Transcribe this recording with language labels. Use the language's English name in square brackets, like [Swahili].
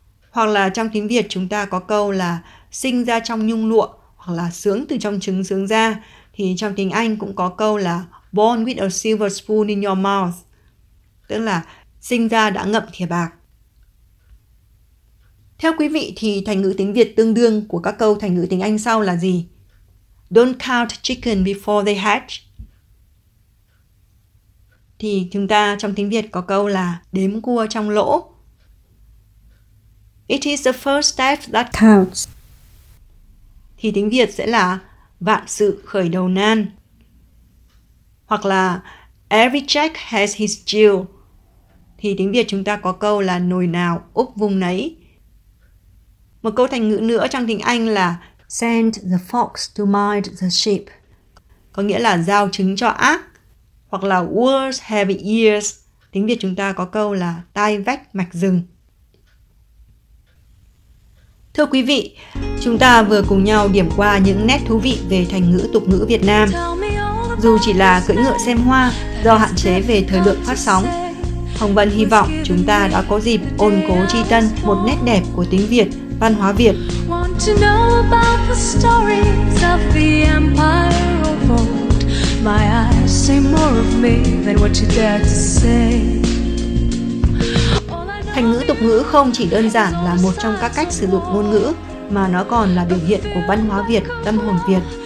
[Vietnamese] Hoặc là trong tiếng Việt chúng ta có câu là sinh ra trong nhung lụa, hoặc là sướng từ trong trứng sướng ra, thì trong tiếng Anh cũng có câu là [English] born with a silver spoon in your mouth, [Vietnamese] tức là sinh ra đã ngậm thìa bạc. Theo quý vị thì thành ngữ tiếng Việt tương đương của các câu thành ngữ tiếng Anh sau là gì? [English] Don't count chicken before they hatch. [Vietnamese] Thì chúng ta trong tiếng Việt có câu là đếm cua trong lỗ. [English] It is the first step that counts. [Vietnamese] Thì tiếng Việt sẽ là vạn sự khởi đầu nan. Hoặc là [English] every Jack has his Jill. [Vietnamese] Thì tiếng Việt chúng ta có câu là nồi nào úp vung nấy. Một câu thành ngữ nữa trong tiếng Anh là [English] send the fox to mind the sheep, [Vietnamese] có nghĩa là giao trứng cho ác. Hoặc là [English] words have ears, [Vietnamese] tiếng Việt chúng ta có câu là tai vách mạch rừng. Thưa quý vị, chúng ta vừa cùng nhau điểm qua những nét thú vị về thành ngữ tục ngữ Việt Nam. Dù chỉ là cưỡi ngựa xem hoa, do hạn chế về thời lượng phát sóng, Hồng Vân hy vọng chúng ta đã có dịp ôn cố tri tân một nét đẹp của tiếng Việt, văn hóa Việt. [English] Want to know about the stories of the empire of old. My eyes say more of me than what you dare to say. [Vietnamese] Thành ngữ tục ngữ không chỉ đơn giản là một trong các cách sử dụng ngôn ngữ, mà nó còn là biểu hiện của văn hóa Việt, tâm hồn Việt.